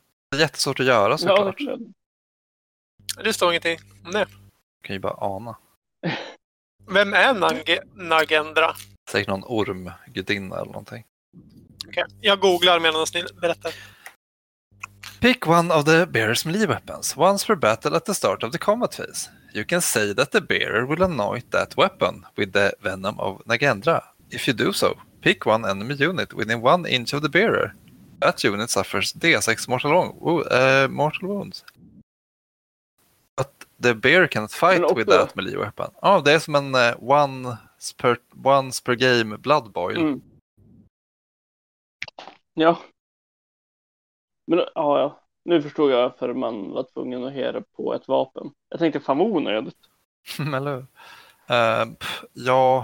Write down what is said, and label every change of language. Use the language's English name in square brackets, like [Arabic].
[Swedish] Det är jättesvårt att göra, såklart. Ja, det står ingenting om det. Du kan ju bara ana. Vem är Nagendra? Säkert någon ormgudinna eller någonting. Okej, okay. Jag googlar medan ni berättar. [English] Pick one of the bearer's melee weapons. Once per battle at the start of the combat phase. You can say that the bearer will anoint that weapon with the venom of Nagendra. If you do so, pick one enemy unit within one inch of the bearer. That unit suffers D6 mortal wounds. But the bearer cannot fight with that melee weapon. [Swedish] Ja, oh, det är som en [English] once per game blood boil. Mm. [Swedish] Ja. Men ja, nu förstod jag för man var tvungen att hera på ett vapen. Jag tänkte fan onödigt. Eller hur? Ja.